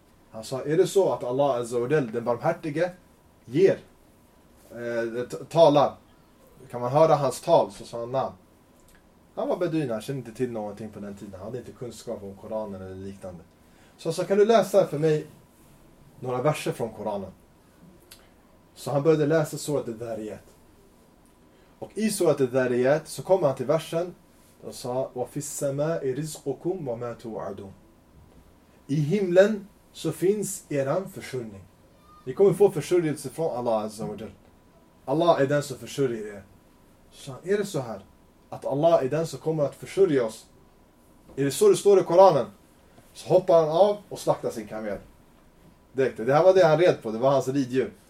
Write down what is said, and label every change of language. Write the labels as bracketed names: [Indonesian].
[Swedish] Han sa, är det så att Allah Azza wa Jalla, den barmhärtige, ger talar, kan man höra hans tal? Så sa han, nam. Han var beduin, han kände inte till någonting på den tiden, han hade inte kunskap om Koranen eller liknande. Så han sa, kan du läsa för mig några verser från Koranen? Så han började läsa surat al-Dhariyat. Och i surat al-Dhariyat så kommer han till versen. Han sa, [Arabic] وَفِي السَّمَاءِ رِزْقُكُمْ وَمَا تُوَعَدُونَ. [Swedish] I himlen så finns eran försörjning. Ni kommer få försörjelse från Allah Azza wa Jalla. Allah är den som försörjer er. Så är det så här? Att Allah är den som kommer att försörja oss? Är det så det står i Koranen? Så hoppar han av och slaktar sin kamel. Det här var det han red på, det var hans riddjur.